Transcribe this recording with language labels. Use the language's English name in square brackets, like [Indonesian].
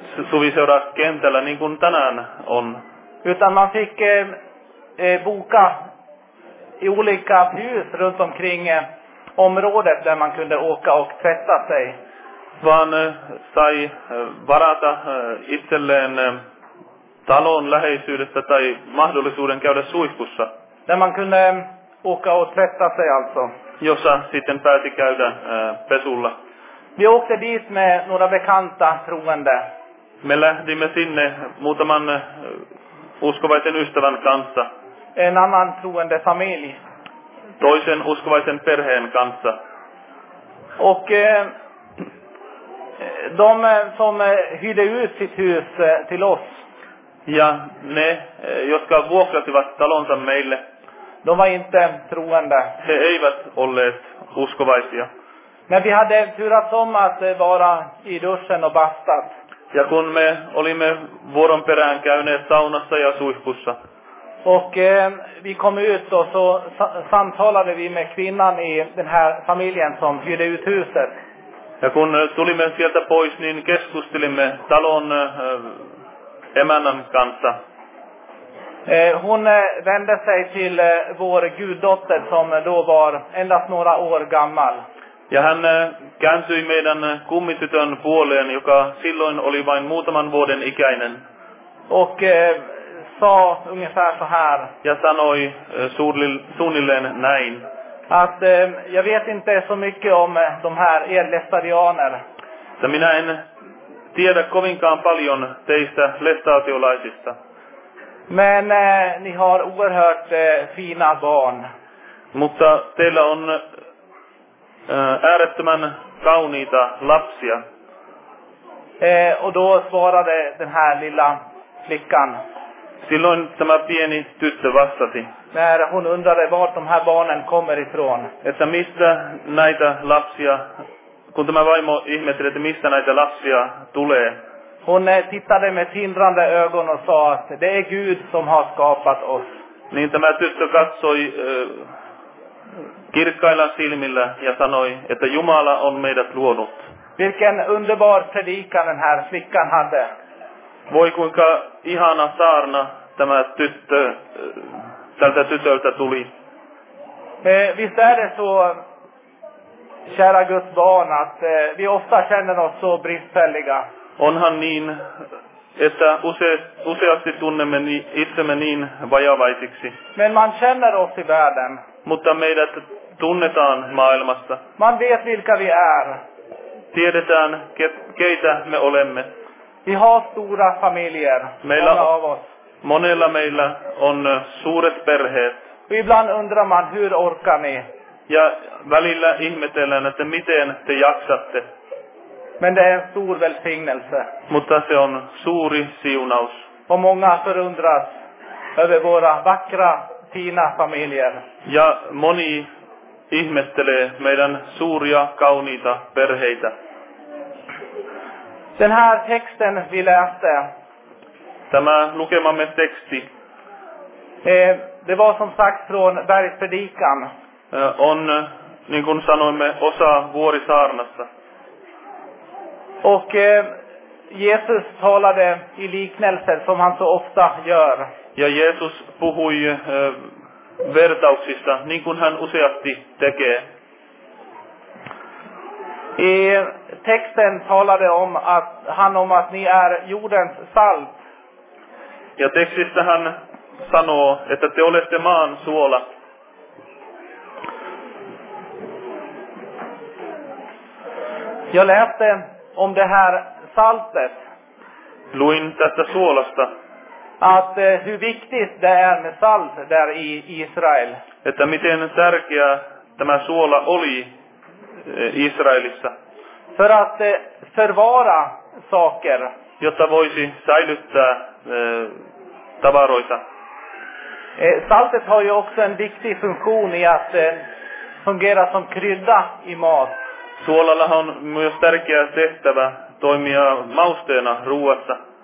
[Finnish] Suviseura kentällä niin kuin tänään on. [Swedish] Utan man fick boka i olika hus runt omkring området där man kunde åka och tvätta sig. [Finnish] Vaan sai varata itselleen talon läheisyydestä tai mahdollisuuden käydä suihkussa. [Swedish] Där man kunde åka och tvätta sig alltså. [Finnish] Jossa sitten pääsi käydä pesulla. [Swedish] Vi åkte dit med några bekanta troende. [Finnish] Me lähdimme sinne muutaman uskovaisen ystävän kanssa. [Swedish] En annan troende familj. [Finnish] Toisen uskovaisen perheen kanssa. [Swedish] Och de som hyrde ut sitt hus till oss. [Finnish] Ja ne, jotka vuokrasivat talonsa meille. [Swedish] De var inte troende. [Finnish] He eivät olleet uskovaisia. [Swedish] Men vi hade turats om att vara i duschen och bastat. [Finnish] Ja kun me olimme vuoron perään käyneet saunassa ja suihkussa. [Swedish] Och vi kom ut och så samtalade vi med kvinnan i den här familjen som hyrde ut huset. [Finnish] Ja kun tulimme sieltä pois, niin keskustelimme talon emännän kanssa. [Swedish] Hon vände sig till vår guddotter som då var endast några år gammal. [Finnish] Ja hän kääntyi meidän kummitytön puoleen, joka silloin oli vain muutaman vuoden ikäinen. [Swedish] Och sa ungefär så här. [Finnish] Ja sanoi suunnilleen näin. [Swedish] Att jag vet inte så mycket om de här lestadianer. [Finnish] Ja minä en tiedä kovinkaan paljon teistä lestaatiolaisista. [Swedish] Men ni har oerhört fina barn. [Finnish] Mutta teillä on äärettömän kauniita lapsia. [Swedish] Och då svarade den här lilla flickan. [Finnish] Silloin tämä pieni tyttö vastasi. [Swedish] När hon undrade vart de här barnen kommer ifrån. [Finnish] Että mistä näitä lapsia, kun tämä vaimo ihmetteli, että mistä näitä lapsia tulee. [Swedish] Hon tittade med tindrande ögon och sa att det är Gud som har skapat oss. [Finnish] Niin tämä tyttö katsoi kirkkailla silmillä ja sanoi, että Jumala on meidät luonut. [Swedish] Vilken underbar predikan den här flickan hade. [Finnish] Voi kuinka ihana saarna tämä tyttö, tältä tytöltä tuli. [Swedish] Visst är det så, kära Guds barn, att vi ofta känner oss så bristfälliga. [Finnish] Onhan niin, että useasti tunnemme itsemme niin vajavaisiksi. [Swedish] Men man känner oss i världen. [Finnish] Mutta meidät tunnetaan maailmassa. [Swedish] Man vet vilka vi är. [Finnish] Tiedetään, keitä me olemme. [Swedish] Vi har stora familjer, meillä, många av oss. [Finnish] Monella meillä on suuret perheet. [Swedish] Ibland undrar man, hur orkar ni? [Finnish] Ja välillä ihmetellään, että miten te jaksatte. [Swedish] Men det är en stor välsignelse. [Finnish] Mutta se on suuri siunaus. [Swedish] Och många förundras över våra vackra, fina familjer. [Finnish] Ja moni ihmettelee meidän suuria, kauniita perheitä. [Swedish] Den här texten vi läste. [Finnish] Tämä lukemamme teksti. [Swedish] Det var som sagt från bergspredikan. [Finnish] On, niin kuin sanoimme, osa vuorisaarnassa. [Swedish] Och Jesus talade i liknelser som han så ofta gör. [Finnish] Ja Jesus puhui vertauksista, niin kuin hän useasti tekee. [Swedish] I texten talade om att han om att ni är jordens salt. [Finnish] Ja tekstissä hän sanoo, että te olette maan suola. [Swedish] Jag läste om det här saltet. [Finnish] Luin tästä suolasta. [Swedish] Att hur viktigt det är med salt där i Israel. [Finnish] Että miten tärkeä tämä suola oli Israelissa. [Swedish] För att förvara saker. [Finnish] Jotta voisi säilyttää tavaroita. [Swedish] Saltet har ju också en viktig funktion i att fungera som krydda i mat. [Finnish] Suolalla on myös tärkeä tehtävä toimia mausteena ruoassa.